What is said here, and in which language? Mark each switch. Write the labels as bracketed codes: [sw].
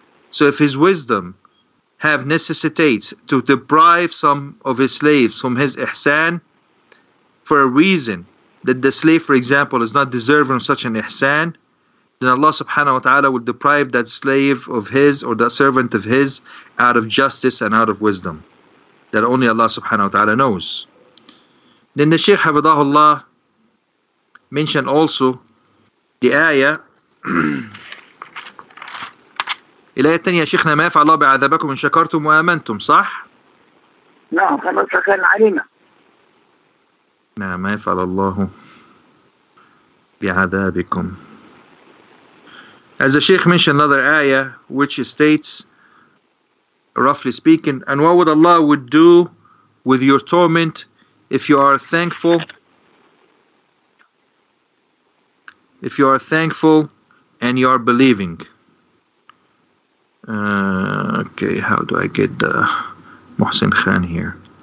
[en] So if His wisdom have necessitates to deprive some of His slaves from His ihsan for a reason that the slave, for example, is not deserving of such an ihsan, then Allah subhanahu wa ta'ala will deprive that slave of His or that servant of His out of justice and out of wisdom that only Allah subhanahu wa ta'ala knows. Then the Shaykh Hafidhahullah mentioned also the ayah. [ar] الآية الثانية شيخنا ما يفعل الله بعذابكم إن شكرتم وآمنتم صح؟ نعم كما شكرنا علينا. نعم ما يفعل الله بعذابكم. [en] As the Shaykh mentioned another ayah which states, roughly speaking, and what would Allah would do with your torment if you are thankful? If you are thankful and you are believing. Okay, how do I get Mohsin Khan here?